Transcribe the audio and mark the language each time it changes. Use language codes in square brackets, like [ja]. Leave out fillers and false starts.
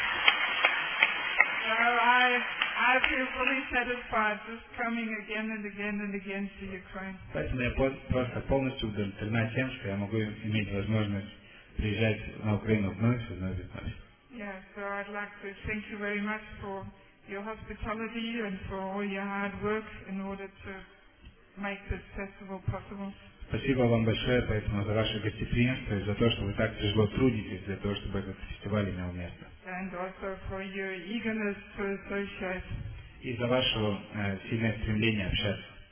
[en] So I feel fully satisfied just coming again and again and again to Ukraine. [ru] Поэтому я просто полностью удовлетворен тем, что я могу иметь возможность приезжать на Украину вновь и вновь. [en] Yeah, so I'd like to thank you very much for your hospitality and for all your hard work in order to make this festival possible. [ru] Спасибо вам большое, поэтому за ваше гостеприимство и за то, что вы так тяжело трудитесь для того, чтобы этот фестиваль имел место. [en] And also for your eagerness to associate. [ru] И за ваше сильное стремление общаться.